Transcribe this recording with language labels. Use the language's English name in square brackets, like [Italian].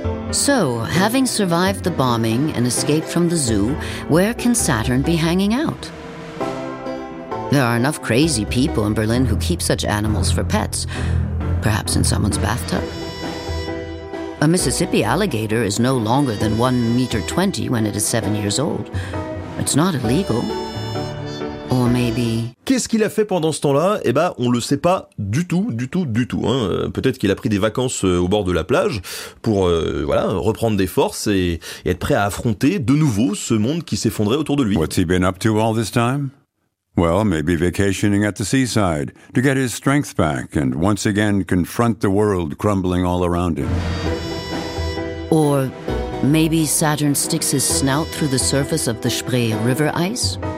[English] So, having survived the bombing and escaped from the zoo, where can Saturn be hanging out? There are enough crazy people in Berlin who keep such animals for pets. Perhaps in someone's bathtub? A Mississippi alligator is no longer than 1.20 meters when it is 7 years old. It's not illegal. Or maybe... [French] Qu'est-ce qu'il a fait pendant ce temps-là? Eh ben, on le sait pas du tout. Hein. Peut-être qu'il a pris des vacances au bord de la plage pour reprendre des forces et être prêt à affronter de nouveau ce monde qui s'effondrait autour de lui. [English] What's he been up to all this time? Well, maybe vacationing at the seaside to get his strength back and once again confront the world crumbling all around him. Or maybe Saturn sticks his snout through the surface of the Spree River ice?